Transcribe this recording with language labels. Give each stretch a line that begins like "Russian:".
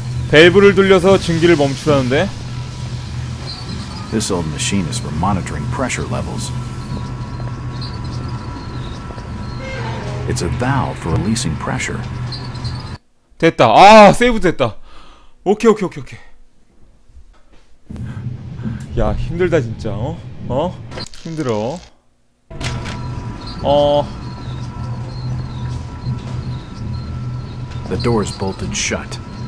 Korean: 밸브를 돌려서 증기를 멈추라는데.
English: This old machine is for monitoring pressure levels. It's a valve for releasing pressure.
Korean: 됐다. 아, 세이브 됐다. 오케이, 오케이, 오케이, 오케이. 야, 힘들다 진짜. 어? 어? 힘들어.
English: The door is bolted shut.